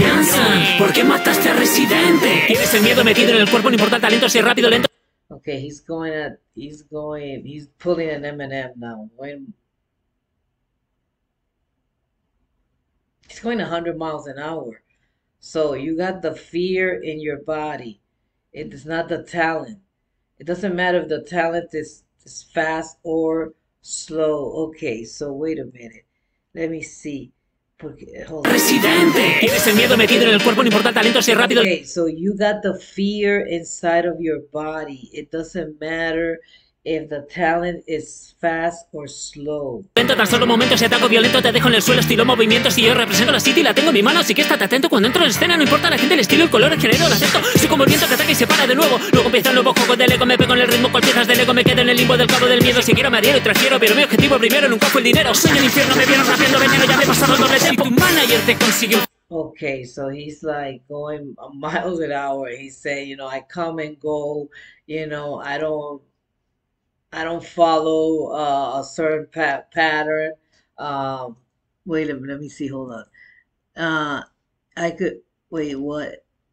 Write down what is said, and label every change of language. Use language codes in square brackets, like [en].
[es] Gransan, ¿por qué mataste a Residente? Tienes el miedo metido en el cuerpo, no importa talento, si es rápido, lento. [en] Okay, he's going at, he's going, he's pulling an M&M now. When he's going 100 miles an hour. So you got the fear in your body. It is not the talent. It doesn't matter if the talent is fast or slow. Okay, so wait a minute. Let me see. Porque, hold on. [es] Residente, tienes el miedo metido en el cuerpo, no importa el talento, si es rápido. [en] Okay, so you got the fear inside of your body. It doesn't matter If the talent is fast or slow. [es] Tan solo momento, si ataco violento, te dejo en el suelo, estilo movimiento. Si yo represento la city, la tengo en mi mano, así que estate atento cuando entro en escena. No importa la gente, el estilo, el color, el género, el acento. Soy como el viento que ataca y se para de nuevo. Luego empieza el nuevo juego del ego, me pego en el ritmo con piezas del ego. Me quedo en el limbo del cabo del miedo. Si quiero, me adhiero y transfiero, pero mi objetivo primero nunca fue el dinero. Soy el infierno, me vieron rapiendo veneno. Ya me he pasado el doble tiempo, un manager te consiguió. [en] Okay, so he's like going miles an hour. He said, you know, I come and go, you know, I don't follow a certain pattern. Wait a minute, let me see, hold on. I could, wait, what?